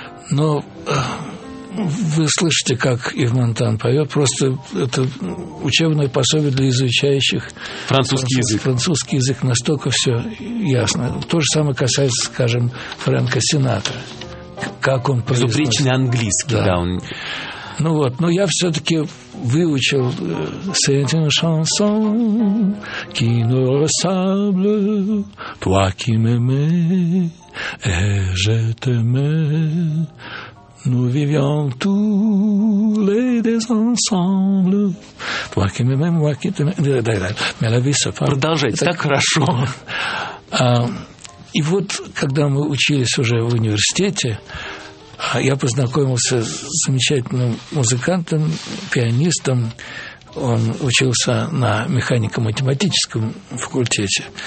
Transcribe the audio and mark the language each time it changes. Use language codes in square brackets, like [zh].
[ru] Но вы слышите, как Ив Монтан поет. Просто это учебное пособие для изучающих французский язык. Французский язык, настолько все ясно. То же самое касается, скажем, Фрэнка Синатра. Как он произносит. Безупречный английский, да. Да, он... Ну вот, но я все-таки выучил [fr] «C'est une chanson qui nous ressemble, toi qui m'aimais et je t'aimais, nous vivions tous les deux ensemble, toi qui m'aimais, moi qui t'aimais». [ru] Продолжайте, так хорошо. И вот, когда мы учились уже в университете, я познакомился с замечательным музыкантом, пианистом. Он учился на механико-математическом факультете.